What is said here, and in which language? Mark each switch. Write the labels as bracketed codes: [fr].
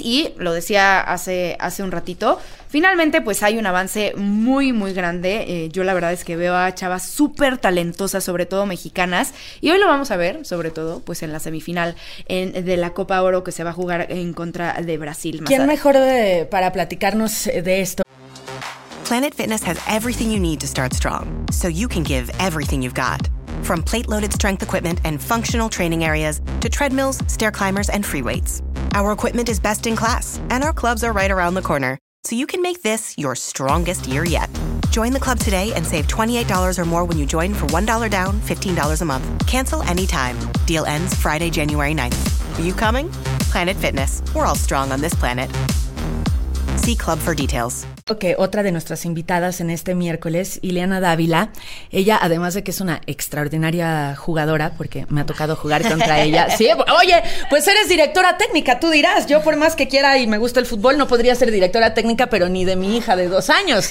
[es] Y lo decía hace un ratito, finalmente pues hay un avance muy, muy grande. Yo la verdad es que veo a chavas súper talentosas, sobre todo mexicanas. Y hoy lo vamos a ver, sobre todo, pues en la semifinal de la Copa Oro, que se va a jugar en contra de Brasil. ¿Quién mejor para platicarnos de esto? [en] Planet Fitness has everything you need to start strong, so you can give everything you've got. From plate-loaded strength equipment and functional training areas to treadmills, stair climbers, and free weights. Our equipment is best in class, and our clubs are right around the corner, so you can make this your strongest year yet. Join the club today and save $28 or more when you join for $1 down, $15 a month. Cancel anytime. Deal ends Friday, January 9th. Are you coming? Planet Fitness. We're all strong on this planet. See club for details. [es] que otra de nuestras invitadas en este miércoles, Ileana Dávila, ella, además de que es una extraordinaria jugadora, porque me ha tocado jugar contra ella. Sí, oye, pues eres directora técnica, tú dirás. Yo, por más que quiera y me gusta el fútbol, no podría ser directora técnica, pero ni de mi hija de 2 años.